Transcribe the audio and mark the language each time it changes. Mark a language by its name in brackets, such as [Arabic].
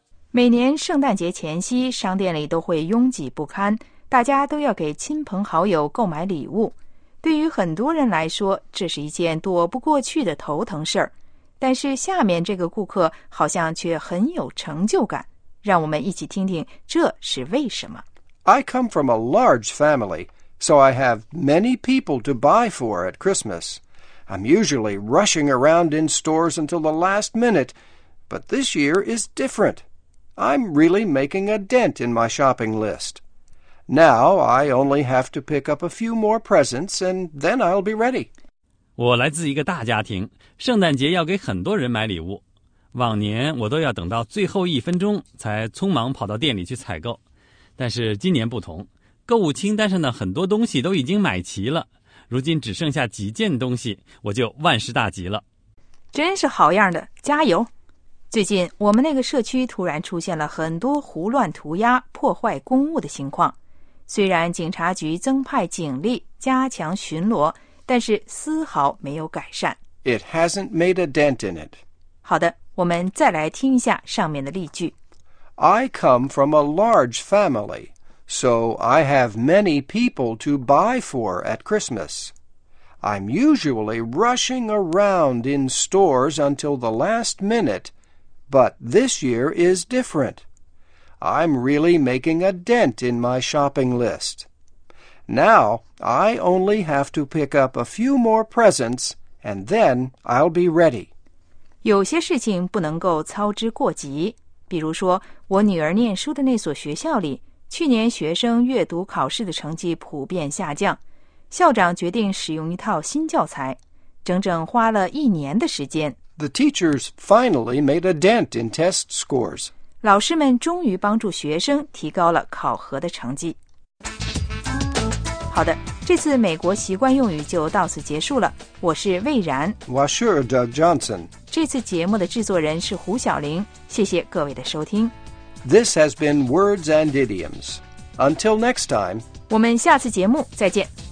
[Chinese] 每年圣诞节前夕，商店里都会拥挤不堪，大家都要给亲朋好友购买礼物。对于很多人来说，这是一件躲不过去的头疼事儿。但是下面这个顾客好像却很有成就感，让我们一起听听这是为什么。 [English] I come from a large family, so I have many people to buy for at Christmas. I'm usually rushing around in stores until the last minute, but this year is different. I'm really making a dent in my shopping list. Now I only have to pick up a few more presents and then I'll be ready. [Chinese] 我来自一个大家庭，圣诞节要给很多人买礼物。往年我都要等到最后一分钟才匆忙跑到店里去采购。但是今年不同，购物清单上的很多东西都已经买齐了，如今只剩下几件东西，我就万事大吉了。真是好样的，加油。最近我们那个社区突然出现了很多胡乱涂鸦、破坏公物的情况。虽然警察局增派警力加强巡逻，但是丝毫没有改善。 [English] It hasn't made a dent in it. [Chinese] 好的，我们再来听一下上面的例句。 [English] I come from a large family, so I have many people to buy for at Christmas. I'm usually rushing around in stores until the last minute. But this year is different. I'm really making a dent in my shopping list. Now, I only have to pick up a few more presents, and then I'll be ready. [Chinese] 有些事情不能够操之过急。比如说，我女儿念书的那所学校里，去年学生阅读考试的成绩普遍下降。校长决定使用一套新教材，整整花了一年的时间。 [English] The teachers finally made a dent in test scores. [Chinese] 老师们终于帮助学生提高了考核的成绩。好的，这次美国习惯用语就到此结束了。我是魏然。 [English] Washer Doug Johnson. [Chinese] 这次节目的制作人是胡晓玲。谢谢各位的收听。 [English] This has been Words and Idioms. Until next time. [Chinese] 我们下次节目再见。